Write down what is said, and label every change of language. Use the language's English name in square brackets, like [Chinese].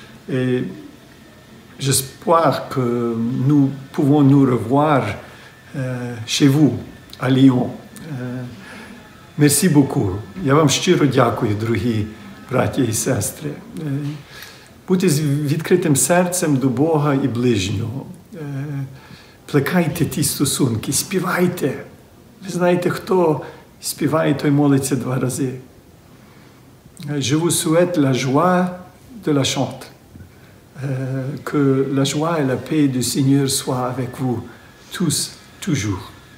[French] Et j'espère que nous pouvons nous revoir chez vous, à Lyon. Merci beaucoup. [Ukrainian] Я вам щиро дякую, дорогі браття і сестри. Будьте з відкритим серцем до Бога і ближнього. Плекайте ті стосунки, співайте. Ви знаєте, хто співає, той молиться два рази. [French] Je vous souhaite la joie de la chante. Que la joie et la paix du Seigneur soient avec vous tous, toujours.